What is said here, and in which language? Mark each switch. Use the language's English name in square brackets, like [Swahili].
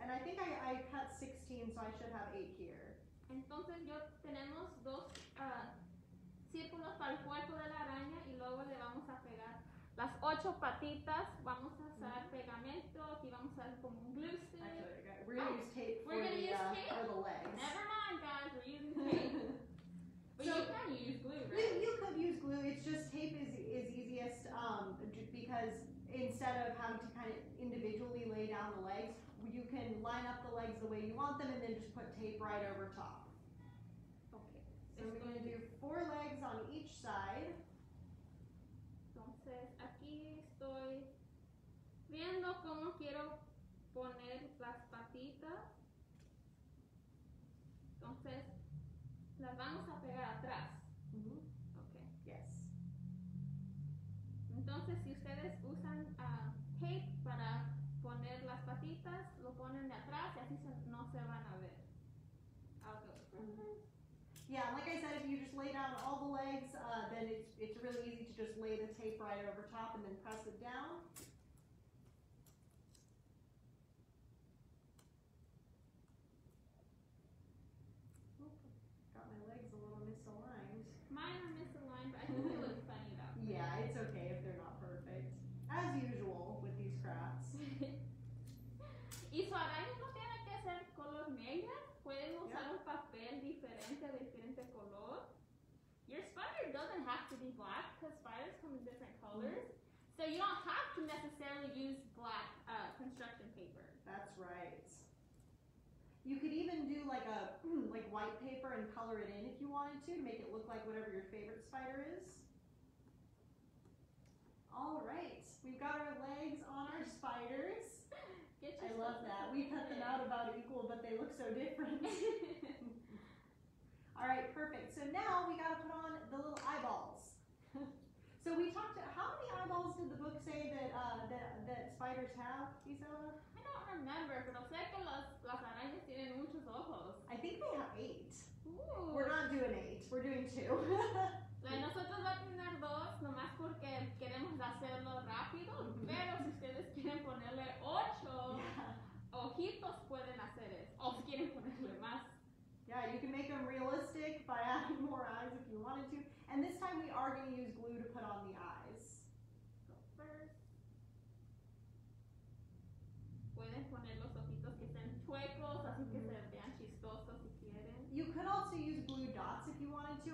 [English] And I think I cut 16, so I should have 8 here. [Spanish] Entonces, yo tenemos 2 círculos para el cuerpo de la araña y luego le vamos a pegar las 8 patitas. Vamos a usar mm-hmm. pegamento. Aquí vamos a usar como un glue stick. [English] Actually, we're going to use tape for the legs. Never mind, guys. We're using tape. But so, you can use glue, right? You could use glue. It's just tape is easiest because instead of having to kind of individually lay down the legs, you can line up the legs the way you want them and then just put tape right over top. Okay. So we're going to do 4 legs on each side. [Spanish] Entonces, aquí estoy viendo cómo quiero poner las patitas. Entonces, las vamos a pegar atrás. Mm-hmm. [English] Okay. Yes. [Spanish] Entonces, si ustedes usan tape para poner las patitas, lo ponen de atrás y así no se van a ver. [English] Yeah, like I said, if you just lay down all the legs, then it's really easy to just lay the tape right over top and then press it down. Oh, got my legs a little misaligned. Mine are misaligned, but I think they look funny though. Yeah, it's okay if they're not perfect. As usual with these crafts. [Spanish] ¿Y su araña no tiene que ser color negra? ¿Pueden usar un papel diferente de diferente color? [English] Your spider doesn't have to be black because spiders come in different colors. Mm-hmm. So you don't have to necessarily use black construction paper. That's right. You could even do like a like white paper and color it in if you wanted to make it look like whatever your favorite spider is. All right, we've got our legs on our spiders. I love that. We cut them out about equal, but they look so different. All right, perfect. So now we got to put on the little eyeballs. So we talked about how many eyeballs did the book say that that spiders have, Isela? I don't remember, [Spanish] pero sé que las arañas tienen muchos ojos. [English] I think they have 8. Ooh. We're not doing 8. We're doing 2. [Spanish] Nosotros vamos a tener 2, nomás porque queremos hacerlo rápido, pero si ustedes quieren ponerle 8 [English] yeah. [Spanish] ojitos, pueden hacer eso, o si quieren ponerle más. [English] Yeah, you can make them realistic by adding more eyes if you wanted to. And this time we are going to use glue to put on the eyes. Go first. [Spanish] Pueden poner los ojitos que estén chuecos, así que se vean chistosos si quieren. [English] You could also use glue dots if you wanted to.